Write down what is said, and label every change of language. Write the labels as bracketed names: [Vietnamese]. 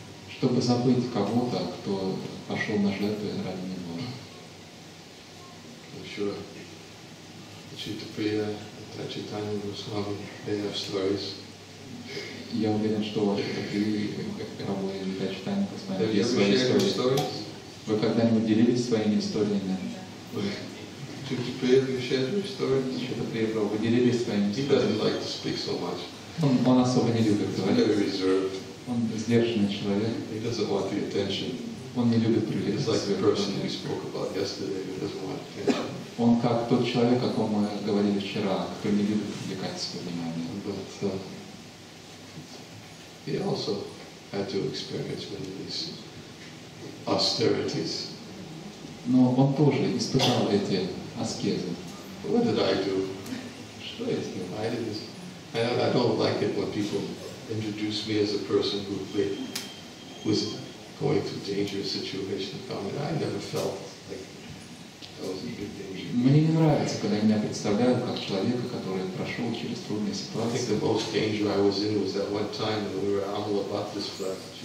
[Russian] чтобы забыть кого-то, кто пошел на жертву ради него. [English] I'm sure Chitapriya and Chaitanya Goswami, they have stories. [Russian] Я уверен, что ваши такие рабы и Чайтанья Госвами есть свои истории. Вы когда-нибудь делились своими историями? [English] Chitapriya, you shared your stories? [Russian] Chitapriya, bro, вы делились своими историями? [English] He doesn't like to speak so much. [Russian] Он особо не любит говорить. [English] He's very reserved. [Russian] Он сдержанный человек. [English] He doesn't want the attention. [Russian] Он не любит привлекать. [English] He's like the person we spoke about yesterday, who doesn't want attention. [Russian] Он как тот человек, о ком мы говорили вчера, кто не любит привлекать свое внимание. [English] But he also had to experience many of these austerities. [Russian] Но он тоже испытал эти аскезы. [English] What did I do? [Russian] Что я сделал? [English] I don't like it when people introduce me as a person who was going through dangerous situations. I mean, I never felt like I was in big danger. [Russian] Мне не нравится, когда меня представляют как человека, который прошел через трудные ситуации. [English] I think the most danger I was in was that one time when we were Amala Bhattis flat.